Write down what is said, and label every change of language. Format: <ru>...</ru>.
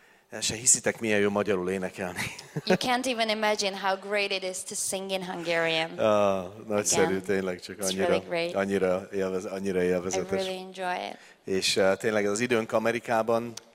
<hu>El se hiszitek, milyen jó magyarul énekelni.</hu> <en>You can't even imagine how great it is to sing in Hungarian.</en> <hu>Ah, nagyszerű, tényleg csak annyira élvezetes.</hu> <en>I really enjoy it.</en> <hu>És tényleg az időnk Amerikában.</hu>